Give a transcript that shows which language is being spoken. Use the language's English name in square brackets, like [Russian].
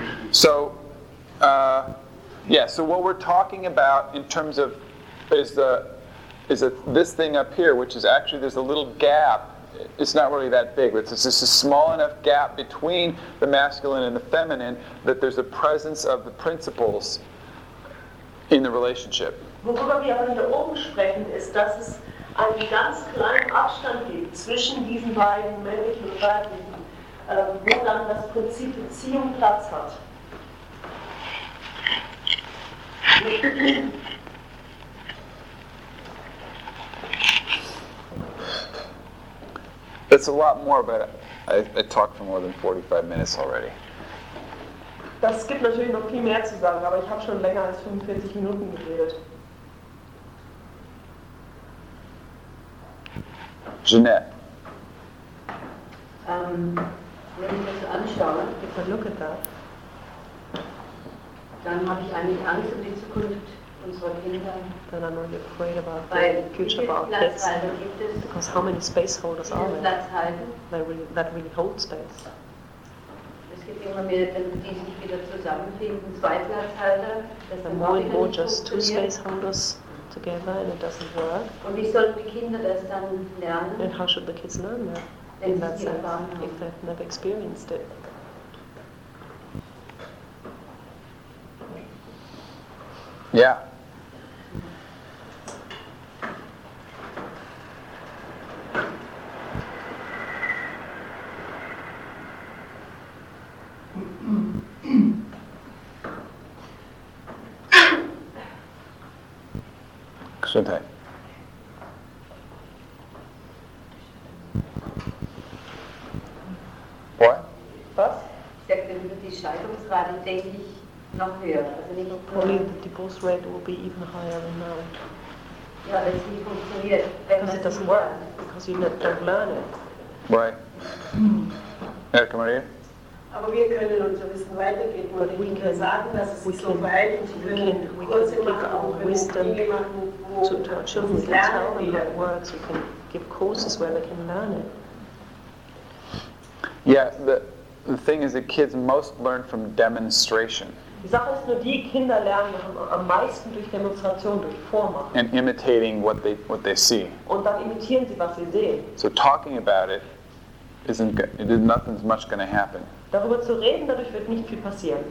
[English] So, so what we're talking about in terms of is this thing up here, which is actually, there's a little gap. It's not really that big, but it's just a small enough gap between the masculine and the feminine that there's a presence of the principles in the relationship. [German] Worüber wir aber hier oben sprechen, ist, dass es einen ganz kleinen Abstand gibt zwischen diesen beiden männlichen und weiblichen, wo dann das Prinzip Beziehung Platz hat. [English] It's a lot more, but I talked for more than 45 minutes already. [German] Das gibt natürlich noch viel mehr zu sagen, aber ich habe schon länger als 45 Minuten geredet. Jeanette. Wenn ich das anschaue, [English] if I look at that, [German] dann habe ich eigentlich Angst um die Zukunft unserer Kinder. [English] Then I'm really afraid about the future of our kids. Because how many space holders are there? That really hold space. [German] Es gibt immer mehr, die sich wieder zusammenfinden, zwei Platzhalter. [English] There are more and more just two space holders together and it doesn't work. [German] Und wie sollen die Kinder das dann lernen? [English] And how should the kids learn that in that sense if they've never experienced it? Yeah. What? [German] Was? Die Scheidungsrate denke ich noch höher. Also nicht [English] probably the divorce rate will be even higher than married. [German] Ja, weil es nicht funktioniert. [English] Because it doesn't work. Because you don't learn it. [German] Right. Ja, komm mal hier. Aber wir können unser Wissen weitergeben und wir können sagen, dass es sich so weit und sie können Kurse machen, auch wenn es Dinge machen, [English] to our children, we can tell them how it works, we can give courses where they can learn it. Yeah, the thing is that kids most learn from demonstration. [German] Die Sache ist nur, die Kinder lernen am meisten durch Demonstration, durch Vormachen. [English] And imitating what they see. [German] Und dann imitieren sie, was sie sehen. [English] So talking about it, nothing's much going to happen. [German] Darüber zu reden, dadurch wird nicht viel passieren.